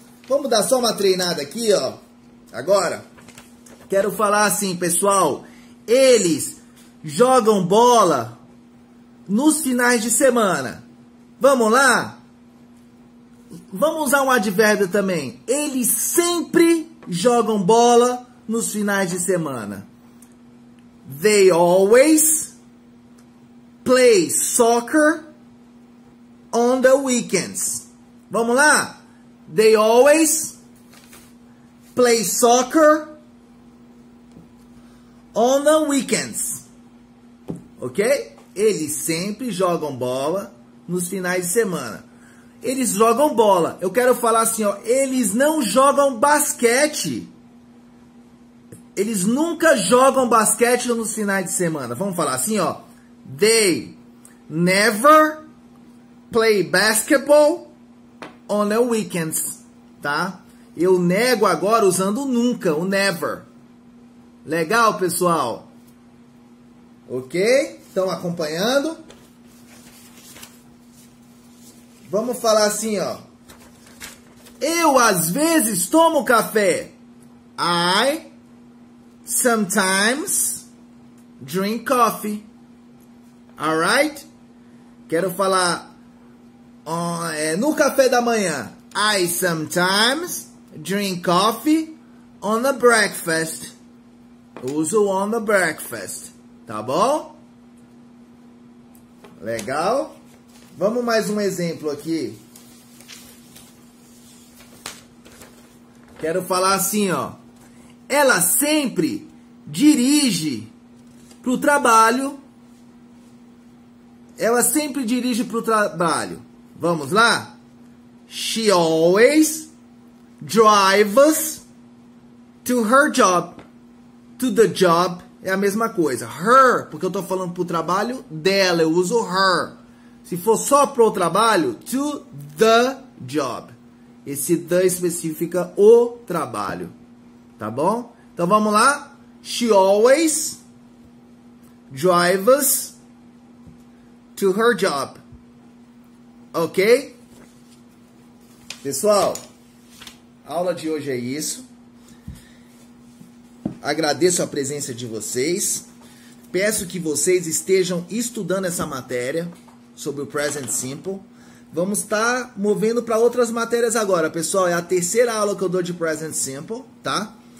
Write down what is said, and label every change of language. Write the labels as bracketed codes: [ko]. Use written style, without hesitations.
[pt] Vamos dar só uma treinada aqui, ó. Agora, quero falar assim, pessoal. Eles jogam bola nos finais de semana. Vamos lá? Vamos usar um advérbio também. Eles sempre jogam bola nos finais de semana. [en] They always play soccer on the weekends. [pt] Vamos lá? [en] They always play soccer on the weekends. [pt] Ok? Eles sempre jogam bola nos finais de semana. eles jogam bola. Eu quero falar assim, ó, eles não jogam basquete. Eles nunca jogam basquete nos finais de semana. Vamos falar assim, ó. [en] They never play basketball on the weekends, tá? [pt] Eu nego agora usando nunca, o never. Legal, pessoal? Ok? Estão acompanhando? Vamos falar assim, ó. Eu, às vezes, tomo café. [en] I sometimes drink coffee. Alright? [pt] Quero falar no café da manhã. [en] I sometimes drink coffee on the breakfast. [pt] Uso [en] on the breakfast. [pt] Tá bom? Legal. Vamos mais um exemplo aqui. Quero falar assim, ó. Ela sempre dirige pro trabalho. Ela sempre dirige pro trabalho. Vamos lá? [en] She always drives to her job. To the job. [pt] É a mesma coisa. Her, porque eu tô falando pro trabalho dela. Eu uso her. Se for só pro trabalho, [en] to the job. [pt] Esse the especifica o trabalho. Tá bom? Então vamos lá. [en] She always drives to her job. Ok? [pt] Pessoal, a aula de hoje é isso. Agradeço a presença de vocês. Peço que vocês estejam estudando essa matéria sobre o Present Simple. Vamos estar movendo para outras matérias agora, pessoal. É a terceira aula que eu dou de Present Simple, tá?